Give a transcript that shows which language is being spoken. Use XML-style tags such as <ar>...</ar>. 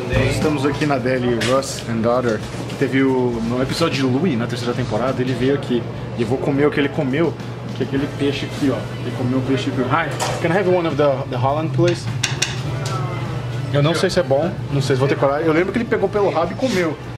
<pt>Estamos aqui na Deli Russ and Daughter, que teve no episódio de Louie, na terceira temporada, ele veio aqui. E eu vou comer o que ele comeu, que é aquele peixe aqui, ó. Ele comeu o peixe aqui.</pt> <en>Hi, can I have one of the Holland, please?</en> <pt>Eu não sei se é bom, não sei se vou ter coragem. Eu lembro que ele pegou pelo rabo e comeu.</pt>